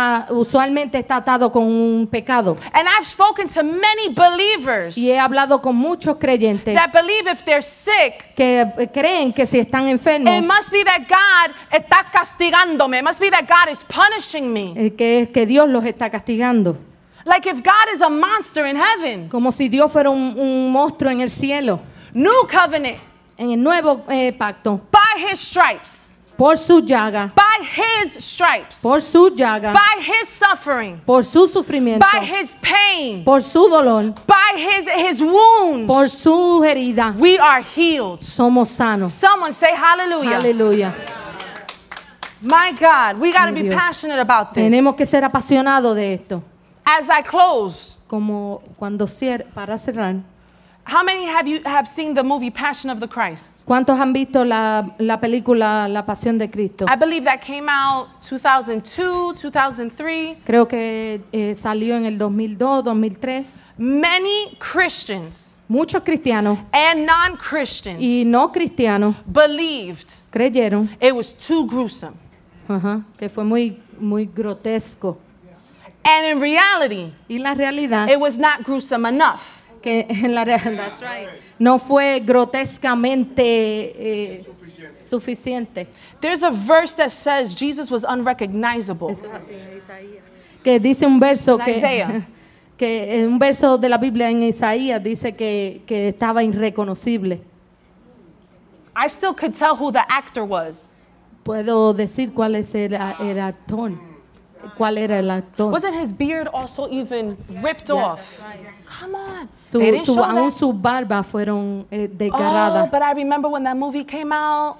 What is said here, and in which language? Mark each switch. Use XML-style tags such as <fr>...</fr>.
<es>Usualmente está atado con un pecado.</es> <en>And I've spoken to many believers.</en> <es>Y he hablado con muchos creyentes.</es> <en>That believe if they're sick.</en> <es>Que creen que si están enfermos.</es> <en>It must be that God</en> <es>está castigándome.</es> <en>It must be that God is punishing me.</en> <es>Que Dios los está castigando.</es> <en>Like if God is a monster in heaven.</en> <es>Como si Dios fuera un monstruo en el cielo.</es> <en>New covenant.</en> <es>En el nuevo pacto.</es> <en>By his stripes.</en> <es>Por su llaga.</es> <en>By his stripes.</en> <es>Por su llaga.</es> <en>By his suffering.</en> <es>Por su sufrimiento.</es> <en>By his pain.</en> <es>Por su dolor.</es> <en>By his wounds.</en> <es>Por su herida.</es> <en>We are healed.</en> <es>Somos sanos.</es> <en>Someone say hallelujah. Hallelujah. My God, we got to be passionate about this.</en> <es>Tenemos que ser apasionados de esto.</es> <en>As I close,</en> <es>como cuando para cerrar.</es> <en>How many have you have seen the movie Passion of the Christ?</en> <es>¿Cuántos han visto la película La Pasión de Cristo?</es> <en>I believe that came out 2002, 2003.</en> <es>Creo que salió en el 2002, 2003.</es> <en>Many Christians,</en> <es>muchos cristianos,</es> <en>and non-Christians,</en> <es>y no cristianos,</es> <en>believed,</en> <es>creyeron,</es> <en>it was too gruesome.</en> <es>Que fue muy muy grotesco.</es> <en>And in reality,</en> <es>y la realidad,</es> <en>it was not gruesome enough.</en> <es>Que en la realidad,</es> <en>that's right.</en> <es>No fue grotescamente suficiente.</es> <en>There's a verse that says Jesus was unrecognizable.</en> <es>Que dice un verso que en un verso de la Biblia en Isaías dice que estaba irreconocible.</es> <en>I still could tell who the actor was.</en> <es>Puedo decir cuál es el actor. ¿Cuál era el actor?</es> <en>Wasn't his beard also even ripped off? Come on.</en> <es>Su barba fueron desgarradas.</es> <en>Oh, but I remember when that movie came out.</en>